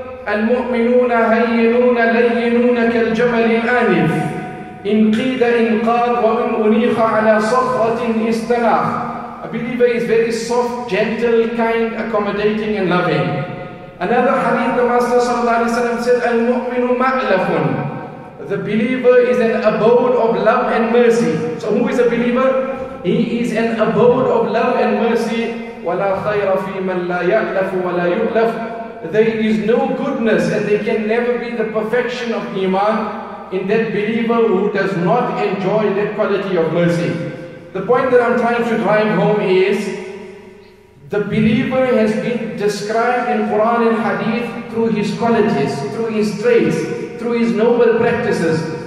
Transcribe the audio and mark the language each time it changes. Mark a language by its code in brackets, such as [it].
[ar] المؤمنون هينون لينون كالجمل الآنف إن قيد إن قاد ومن أنيخ على صخرة استناخ. [en] A believer is very soft, gentle, kind, accommodating and loving. Another hadith, the Master sallallahu alayhi wa sallam said, [ar] المؤمن مألف. [en] The believer is an abode of love and mercy. So who is a believer? He is an abode of love and mercy. [ar] ولا خير في من لا يألف ولا يؤلف. [en] There is no goodness, and there can never be the perfection of iman in that believer who does not enjoy that quality of mercy. The point that I'm trying to drive home is, the believer has been described in Quran and Hadith through his qualities, through his traits, through his noble practices.